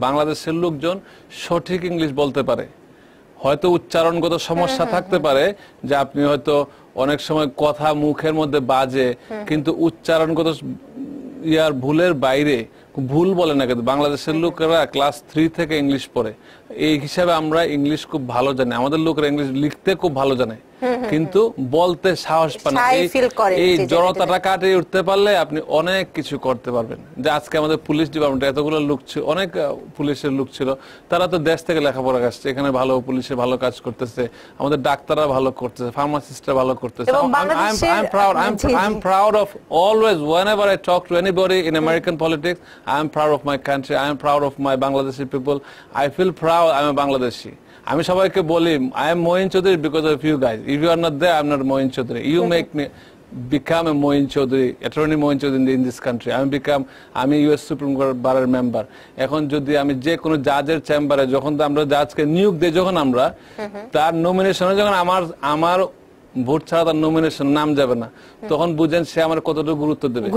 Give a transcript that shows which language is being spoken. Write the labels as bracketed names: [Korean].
[Bangla] বাংলাদেশের লোকজন সঠিক ইংলিশ বলতে পারে, হয়তো উচ্চারণগত সমস্যা থাকতে পারে যে আপনি হয়তো অনেক সময় কথা মুখের মধ্যে বাজে, কিন্তু উচ্চারণগত ইয়ার ভুলের বাইরে ভুল বলে না, কিন্তু বাংলাদেশের লোকেরা ক্লাস থ্রি থেকে ইংলিশ পড়ে, এই হিসাবে আমরা ইংলিশ খুব ভালো জানি, আমাদের লোকেরা ইংলিশ লিখতে খুব ভালো জানে, কিন্তু বলতে সাহস পায় না, এই জড়তাটা কাটিয়ে উঠতে পারলে আপনি অনেক কিছু করতে পারবেন। যে আজকে আমাদের পুলিশ ডিপার্টমেন্টে এতগুলো লোক ছিল, অনেক পুলিশের লোক ছিল, তারা তো দেশ থেকে লেখাপড়া আসছে, এখানে ভালো পুলিশে ভালো কাজ করতেছে, আমাদের ডাক্তাররা ভালো করতেছে, ফার্মাসিস্টরা ভালো করতেছে। [English] I am proud of always, whenever I talk to anybody in American politics, I am proud of my country, I am proud of my Bangladeshi people, I feel proud, I am a Bangladeshi. [Bangla] আমি সবাইকে বলি, [English] I am Moin Chowdhury because of you guys, if you are not there, I am not Moin Chowdhury, you make me become a Moin Chowdhury, attorney Moin Chowdhury in this country, I am become, [Bangla] আমি US supreme court বারের member, এখন যদি আমি যে কোনো জাজের চেম্বারে, যখন আমরা জাজকে নিয়োগ দিই, যখন আমরা তার নমিনেশনে, যখন আমার আমার ভোট ছাড়া তার নমিনেশন নাম যাবে না, তখন বুঝেন সে আমার কতটুকু গুরুত্ব দেবে,